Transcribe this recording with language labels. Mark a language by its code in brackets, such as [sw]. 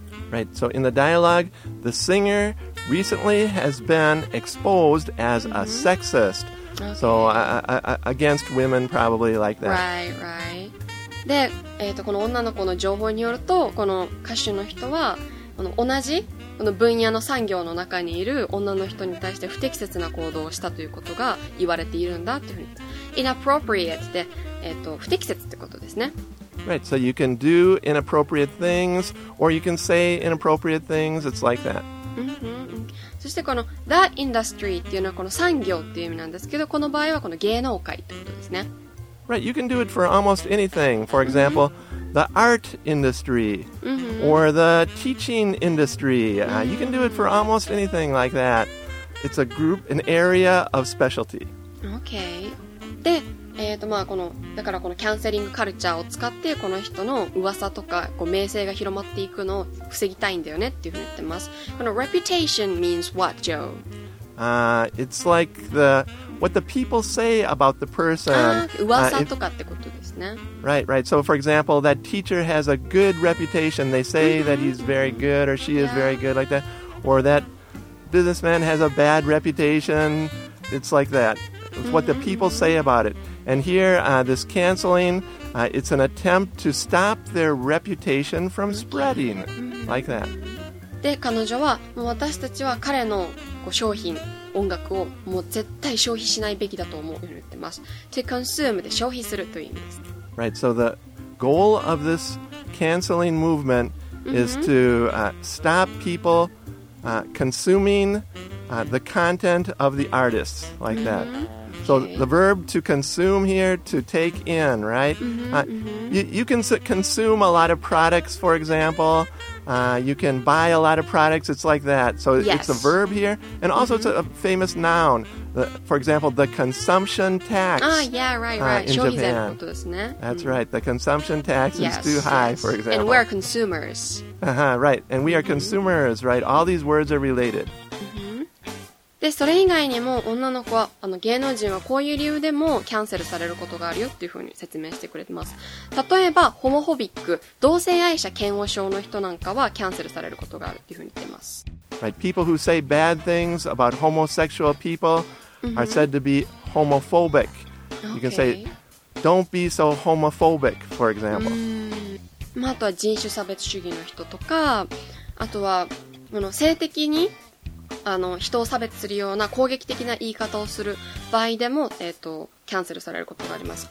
[en] Right, so in the dialogue, the singer recently has been exposed as a sexist. Okay. So against women probably like that. Right, right. [ja] で、この女の子の情報によると、この歌手の人はこの同じこの分野の産業の中にいる女の人に対して不適切な行動をしたということが言われているんだというふうに。 Inappropriate で、不適切ってことですね。 [en] Right, so you can do inappropriate things or you can say inappropriate things, it's like that. [ja] そしてこの [en] that industry [ja] っていうのはこの産業っていう意味なんですけど、この場合はこの芸能界ってことですね。 [en] Right, you can do it for almost anything. For example, the art industry, or the teaching industry. You can do it for almost anything like that. It's a group, an area of specialty. Okay. [ja] で、まあこのだからこのキャンセリングカルチャーを使ってこの人の噂とかこう名声が広まっていくのを防ぎたいんだよねっていうふうに言ってます。この [en] reputation means what, Joe? It's like the what the people say about the person. [ja] 噂とかってことですね。 [en] Right, right. So, for example, that teacher has a good reputation. They say that he's very good or she is very good, like that. Or that businessman has a bad reputation. It's like that. It's what the people say about it. And here, this canceling, it's an attempt to stop their reputation from spreading, like that. [ja] で、彼女は、もう私たちは彼の商品、音楽をもう絶対消費しないべきだと思うように言ってます。 [en] To consume [ja] で消費するという意味です。 [en] Right, so the goal of this canceling movement is to stop people consuming the content of the artists, like that. So the verb to consume here, to take in, right? You can consume a lot of products, for example. You can buy a lot of products, it's like that. So it's a verb here, and also it's a famous noun. For example, the consumption tax. Ah, yeah, right. In Japan. That's right. The consumption tax is too high, for example. And we're consumers. Right. And we are consumers, right? All these words are related. [ja] で、それ以外にも女の子は芸能人はこういう理由でもキャンセルされることがあるよっていうふうに説明してくれてます。例えば、ホモホビック、同性愛者嫌悪症の人なんかはキャンセルされることがあるっていうふうに言ってます。 [en] Right, people who say bad things about homosexual people are said to be homophobic. You can say, don't be so homophobic, for example. [ja] あとは人種差別主義の人とか、あとは性的に人を差別するような攻撃的な言い方をする場合でも、キャンセルされることがあります。